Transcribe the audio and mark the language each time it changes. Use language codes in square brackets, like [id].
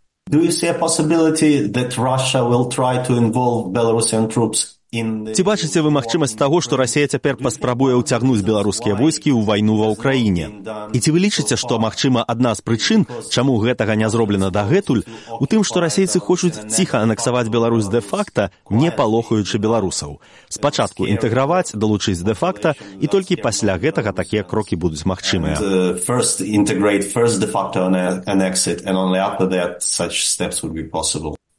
[en] Do you see a possibility that Russia will try to involve Belarusian troops? [be] Ці бачыце ви магчымасць таго, што Расія цяпер паспрабуе ўцягнуць беларускія войскі ў вайну ва Украіне? І ці вы лічыце, што магчыма адна з прычын, чаму гэтага не зроблена дагэтуль, у тым, што расейцы хочуць ціха анексаваць Беларусь де-факта, не палохаючы беларусаў? Спачатку інтэграваць, далучыць де-факта, і толькі пасля гэтага такія крокі будуць магчымыя. [en] First integrate, first de-facto annex it, and only after that such steps would be possible.